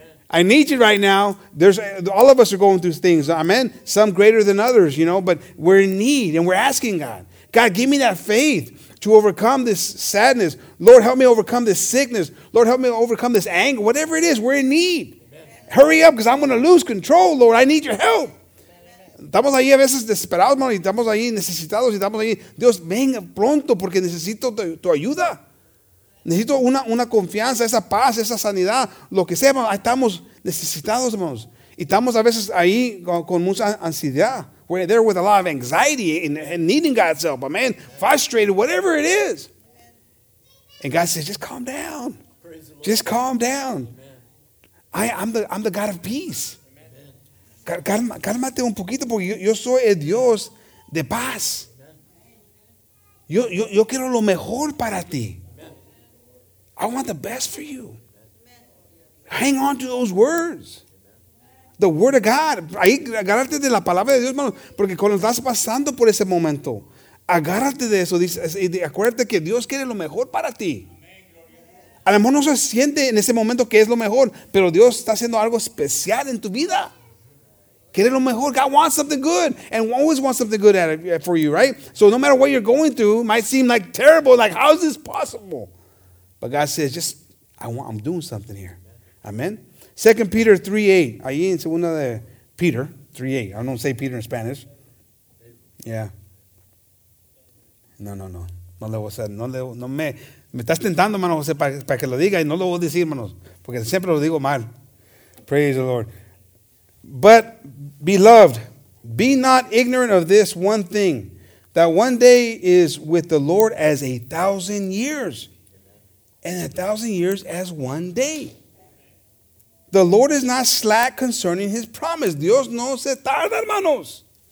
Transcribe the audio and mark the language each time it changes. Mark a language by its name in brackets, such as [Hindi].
[English] I need you right now. There's all of us are going through things. Amen. Some greater than others, you know. But we're in need, and we're asking God. God, give me that faith to overcome this sadness. Lord, help me overcome this sickness. Lord, help me overcome this anger. Whatever it is, we're in need. Amen. Hurry up, because I'm going to lose control, Lord. I need your help. Amen. [Spanish] Estamos ahí a veces desesperados, hermano, y estamos ahí necesitados, y estamos ahí. Dios, venga pronto, porque necesito tu ayuda. Necesito una confianza, esa paz, esa sanidad, lo que sea. Hermano. Estamos necesitados, hermanos. Y estamos a veces ahí con mucha ansiedad. [English] We're there with a lot of anxiety and needing God's help. Amen. Frustrated, whatever it is. And God says, just calm down. Just calm down. I'm the God of peace. [Spanish] Cálmate un poquito porque yo soy el Dios de paz. Yo quiero lo mejor para ti. [English] I want the best for you. Hang on to those words. The word of God. [Spanish] Ahí, agárrate de la palabra de Dios, hermano. Porque cuando estás pasando por ese momento, agárrate de eso. Dice, acuérdate que Dios quiere lo mejor para ti. A lo mejor no se siente en ese momento que es lo mejor, pero Dios está haciendo algo especial en tu vida. Quiere lo mejor. [English] God wants something good and always wants something good for you, right? So no matter what you're going through, it might seem like terrible, like how is this possible? But God says, just, I'm doing something here. Amen. [Spanish] 2 Peter 3:8. Ahí en segunda de Peter 3:8. [English] I don't say Peter in Spanish. Yeah. No. [Spanish] No le voy a hacer. Me estás tentando, hermano José, para que lo diga y no lo voy a decir, hermanos, porque siempre lo digo mal. [English] Praise the Lord. But, beloved, be not ignorant of this one thing, that one day is with the Lord as 1,000 years, and 1,000 years as one day. The Lord is not slack concerning his promise. [Spanish] Dios no se tarda, hermanos.